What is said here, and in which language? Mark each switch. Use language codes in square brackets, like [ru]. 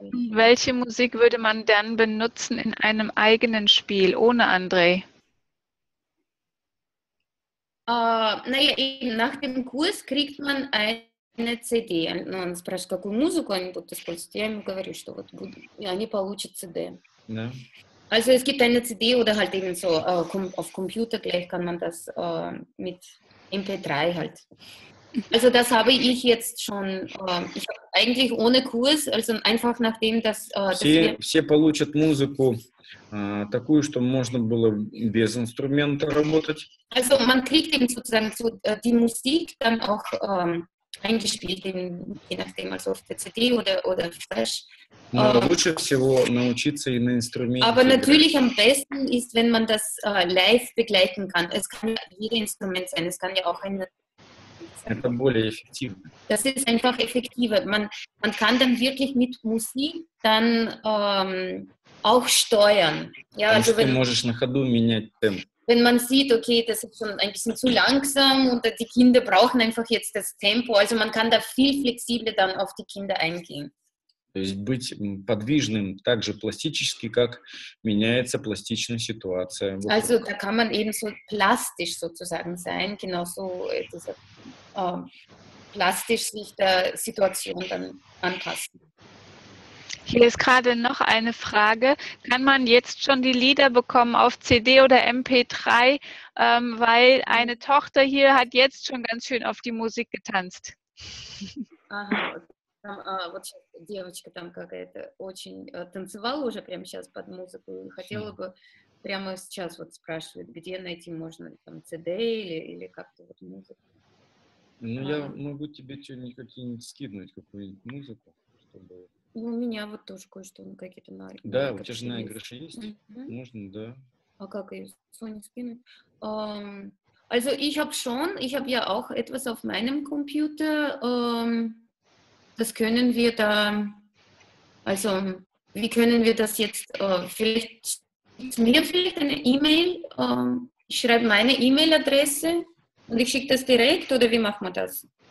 [de] Welche Musik würde man dann benutzen in einem eigenen Spiel ohne André? Naja, eben nach dem Kurs kriegt man eine CD. [ru] Ну, он спрашивает, какую музыку они будут использовать. Я ему говорю, что вот они получат CD. [de] Also es gibt eine CD oder halt eben so auf Computer gleich kann man das mit MP3 halt. Also das habe ich jetzt schon, ich habe eigentlich ohne Kurs, also einfach nachdem das... [ru] Все получат музыку такую, чтобы можно было без инструмента работать. [de] Also man kriegt eben sozusagen so, die Musik dann auch eingespielt, je nachdem, also auf der CD oder Flash. [ru] Лучше всего научиться и на инструменте. [de] Aber natürlich am besten ist, wenn man das live begleiten kann. Es kann ja jeder Instrument sein, es kann ja auch ein... [ru] Это более эффективно. [de] Das ist einfach effektiver. Man kann dann wirklich mit Musik dann auch steuern. Ja, also du [ru] можешь на ходу менять темп. [de] Wenn man sieht, okay, das ist schon ein bisschen zu langsam und die Kinder brauchen einfach jetzt das Tempo. Also man kann da viel flexibler dann auf die Kinder eingehen. [ru] То есть быть подвижным так же пластически, как меняется пластичная ситуация. [de] Also da kann man eben so plastisch sozusagen sein, genau so plastisch sich der Situation dann anpassen. Hier ist gerade noch eine Frage. Kann man jetzt schon die Lieder bekommen auf CD oder MP3, weil eine Tochter hier hat jetzt schon ganz schön auf die Musik getanzt. Aha, okay. [ru] Там вот сейчас девочка там какая-то очень танцевала уже прямо сейчас под музыку и хотела бы прямо сейчас вот спрашивает, где найти можно там CD или как-то вот музыку. Ну, я могу тебе что-нибудь какие-нибудь скинуть, какую-нибудь музыку, чтобы. Ну, у меня вот тоже кое-что какие-то на. Да, у тебя же на игрыше есть. Можно, да. А как ее Sony скинуть? [de] Also ich habe schon, ich habe ja auch etwas auf meinem Computer. Das können wir da, also wie können wir das jetzt, vielleicht mir vielleicht eine E-Mail, ich schreibe meine E-Mail-Adresse und ich schicke das direkt oder wie machen wir das?